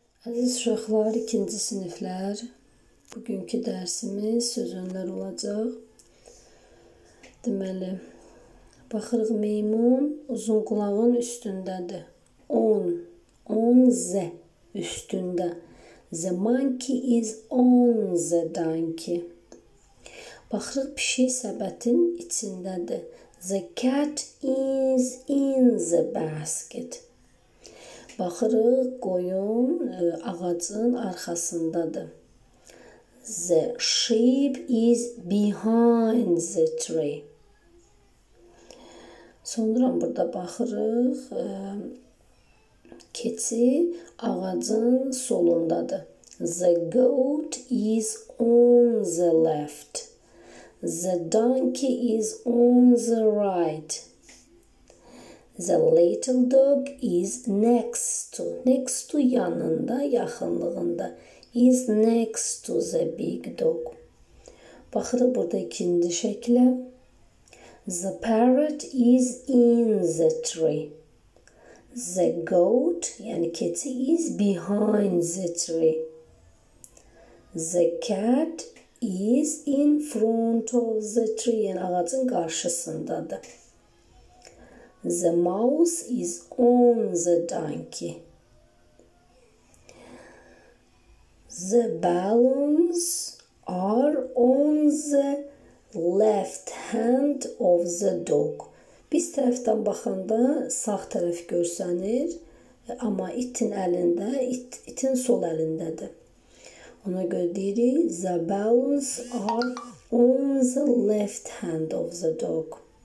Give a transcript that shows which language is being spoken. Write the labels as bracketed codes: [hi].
[az] Aziz uşaqlar, ikinci siniflər, bugünkü dərsimiz söz önlər olacaq. Deməli, baxırıq meymun uzun qulağın üstündədir. On zə üstündə. [en] The monkey is on the donkey. [az] Baxırıq pişik səbətin içindədir. [en] The cat is in the basket. [az] Baxırıq, qoyun ağacın arxasındadır. [en] The sheep is behind the tree. [az] Sonra burada baxırıq, keçi ağacın solundadır. [en] The goat is on the left. The donkey is on the right. The little dog is next to. Next to [az] yanında, yaxınlığında. [en] Is next to the big dog. [az] Baxırıq burada ikinci şəklə. [en] The parrot is in the tree. The goat, [az] yəni keçi, [en] is behind the tree. The cat is in front of the tree. [az] Yəni ağacın qarşısındadır. [en] The mouse is on the donkey. The balloons are on the left hand of the dog. [az] Biz tərəfdən baxanda sağ tərəf görsənir, amma itin əlində, itin sol əlindədir. Ona görə deyirik, [en] the balloons are on the left hand of the dog.